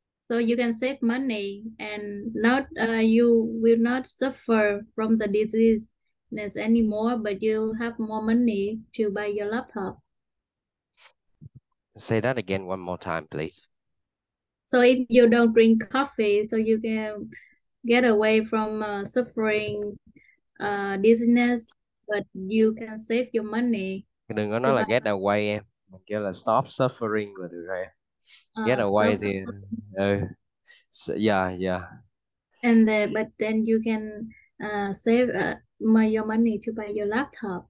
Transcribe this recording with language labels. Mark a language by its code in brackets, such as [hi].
[en] So you can save money and not you will not suffer from the diseases anymore, but you have more money to buy your laptop. Say that again one more time, please. So if you don't drink coffee, so you can get away from suffering dizziness, but you can save your money. [vi] Đừng có nói là [en] get away [vi] em. Mình kêu là [en] stop suffering [vi] là được rồi. [en] Get away [vi] thì... [en] So, yeah. And the, but then you can save my your money to buy your laptop.